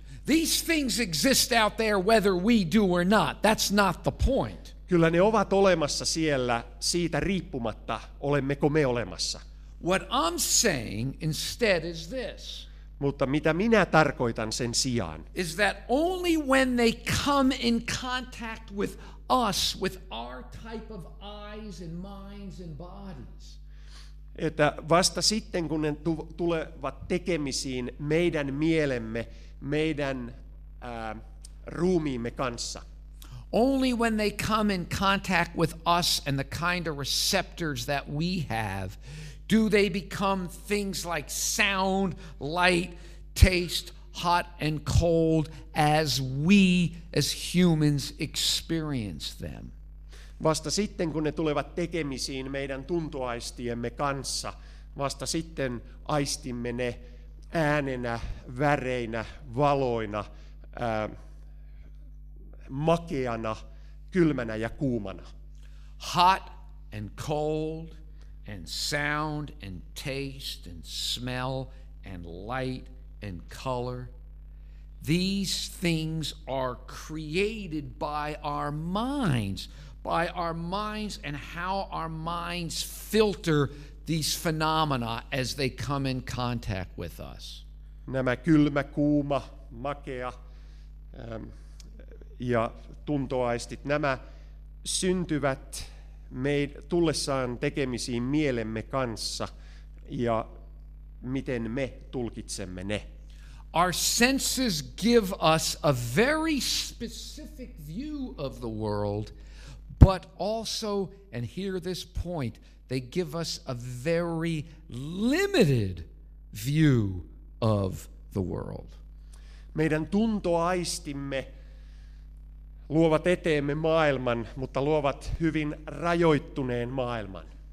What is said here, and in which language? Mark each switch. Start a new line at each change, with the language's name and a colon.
English: These things exist out there whether we do or not. That's not the point.
Finnish: Kyllä ne ovat olemassa siellä siitä riippumatta, olemmeko me olemassa.
English: What I'm saying instead is this.
Finnish: Mutta mitä minä tarkoitan sen sijaan?
English: Is that only when they come in contact with us, with our type of eyes and minds and bodies.
Finnish: Että vasta sitten, kun ne tulevat tekemisiin meidän mielemme, meidän ruumiimme kanssa.
English: Only when they come in contact with us and the kind of receptors that we have, do they become things like sound, light, taste, hot and cold, as we as humans experience them.
Finnish: Vasta sitten, kun ne tulevat tekemisiin meidän tuntoaistiemme kanssa, vasta sitten aistimme ne äänenä, väreinä, valoina, makeana, kylmänä ja kuumana.
English: Hot and cold and sound and taste and smell and light and color. These things are created by our minds. By our minds and how our minds filter these phenomena as they come in contact with us.
Finnish: Nämä kylmä, kuuma, makea ja tuntoaistit, nämä syntyvät tullessaan tekemisiin mielemme kanssa ja miten me tulkitsemme ne.
English: Our senses give us a very specific view of the world. But also, and hear this point, they give us a very limited view of the world.
Finnish: Meidän tuntoaistimme luovat eteemme maailman, mutta luovat hyvin rajoittuneen maailman.